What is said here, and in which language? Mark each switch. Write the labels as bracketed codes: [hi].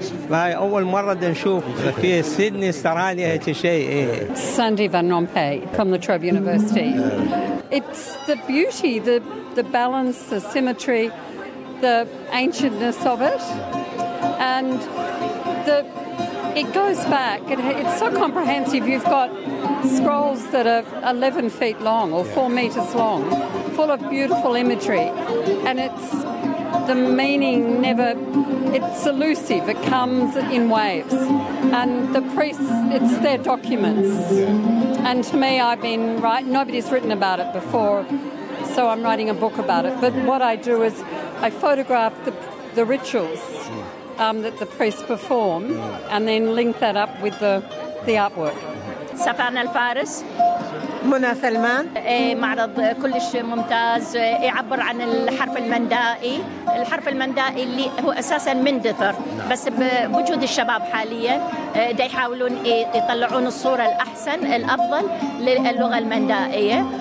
[ar] هاي أول مرة نشوف في سيدني استراليا هذا الشيء. [en] Sandy van Rompay from the Trobe University. It's the beauty, the balance, the symmetry, the ancientness of it, and the it goes back. It's so comprehensive. You've got scrolls that are 11 feet long or 4 meters long, full of beautiful imagery, and it's the meaning never, it's elusive, it comes in waves, and the priests, it's their documents. And to me, I've been right, nobody's written about it before, so I'm writing a book about it. But what I do is I photograph the rituals that the priests perform and then link that up with the artwork. [ar] سفان الفارس منى سلمان. معرض كلش ممتاز, يعبر عن الحرف المندائي, الحرف المندائي اللي هو أساسا مندثر, بس بوجود الشباب حاليا دا يحاولون يطلعون الصورة الأحسن الأفضل للغة المندائية.